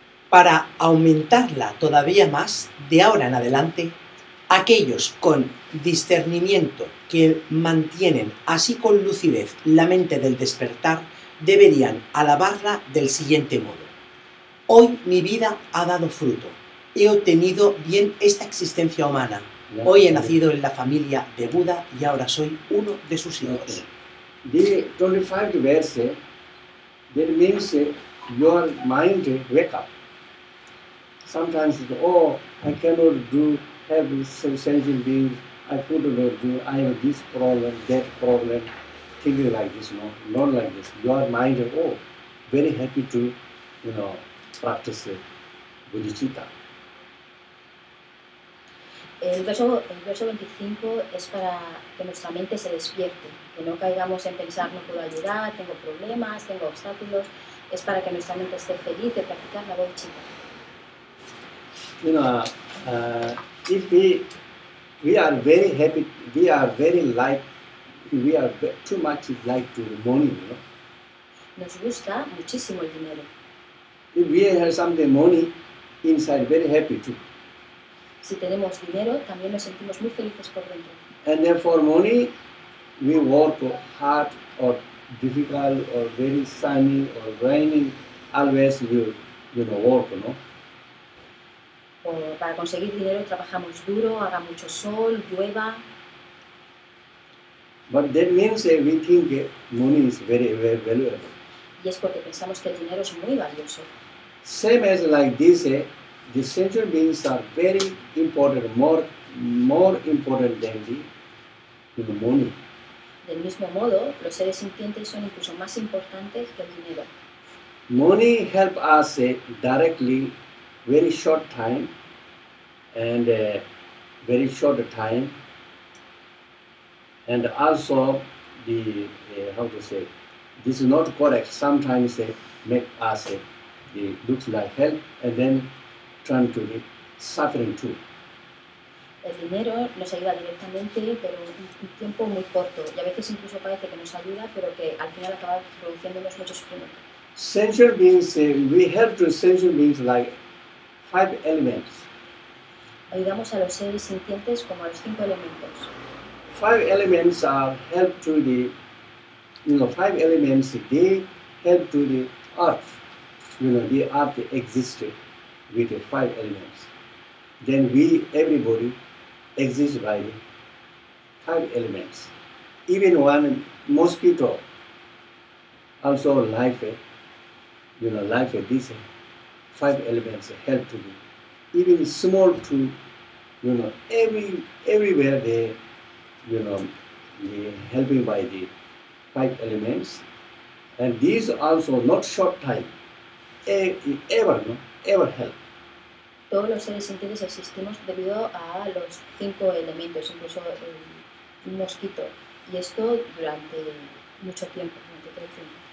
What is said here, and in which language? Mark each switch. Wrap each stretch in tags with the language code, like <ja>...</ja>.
<es>para aumentarla todavía más, de ahora en adelante, aquellos con discernimiento que mantienen así con lucidez la mente del despertar deberían alabarla del siguiente modo. Hoy mi vida ha dado fruto. He obtenido bien esta existencia humana. Hoy he nacido en la familia de Buda y ahora soy uno de sus hijos.</es> <en>Okay. The 25 verse, that means your mind wake up. Sometimes, oh, I cannot do every sentient being. I could not do. I have this problem, that problem. Thinking like this, no, not like this. Your mind, oh, very happy to, you know, practice bodhicitta.</en> <es>El verso 25 es para que nuestra mente se despierte, que no caigamos en pensar no puedo ayudar, tengo problemas, tengo obstáculos. Es para que nuestra mente esté feliz de practicar la bodhicitta.</es> <en>You know, if we are very happy, we are very like, we are too much like to the money, you know.</en> <es>Nos gusta muchísimo el dinero.</es> <en>If we have some of the money inside, very happy too.</en> <es>Si tenemos dinero, también nos sentimos muy felices por dentro.</es> <en>And then for money, we work hard or difficult or very sunny or raining, always we work, no?</en> <es>O para conseguir dinero, trabajamos duro, haga mucho sol, llueva.</es> <en>But that means that we think money is very, very valuable.</en> <es>Y es porque pensamos que el dinero es muy valioso.</es> <en>Same as like this, the sentient beings are very important, more important than the money.</en> <es>Del mismo modo, los seres sintientes son incluso más importantes que el dinero.</es> <en>Money help us directly, very short time, and very short time, and also the how to say, this is not correct. Sometimes they make us the looks like help, and then trying to be suffering too.</en> <es>El dinero nos ayuda directamente, pero un tiempo muy corto. Y a veces incluso parece que nos ayuda, pero que al final acaba produciéndonos mucho sufrimiento.</es> <en>Sentient beings, we help to sentient beings like five elements.</en> <es>Ayudamos a los seres sintientes como a los cinco elementos.</es> <en>Five elements are help to the, you know, five elements, they help to the earth. You know, the earth existed with the five elements. Then we, everybody, exist by five elements. Even one mosquito, also life, you know, life, these five elements help to the, even small to, you know, everywhere they, you know, they helping by the five elements. And these also not short time, ever help.</en> <es>Todos los seres sintientes existimos debido a los cinco elementos, incluso el mosquito. Y esto durante mucho tiempo, durante todo el tiempo.</es>